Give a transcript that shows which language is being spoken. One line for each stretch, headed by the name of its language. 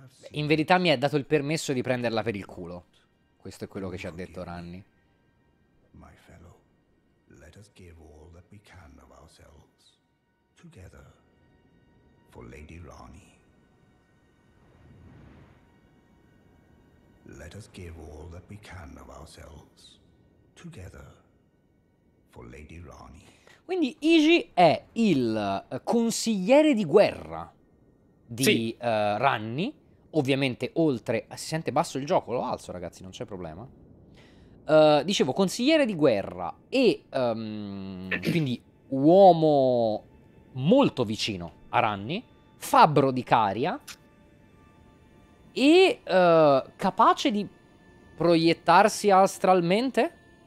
Italian: In verità mi ha dato il permesso di prenderla per il culo. Questo è quello che ci ha detto Ranni.
English: My fellow, let us give all that we can of ourselves together for Lady Rani. Let us give all that we can of ourselves together for Lady Rani.
Italian: Quindi Iji è il consigliere di guerra di sì. Ranni, ovviamente oltre... Si sente basso il gioco? Lo alzo, ragazzi, non c'è problema. Dicevo, consigliere di guerra e quindi uomo molto vicino a Ranni, fabbro di Caria e capace di proiettarsi astralmente?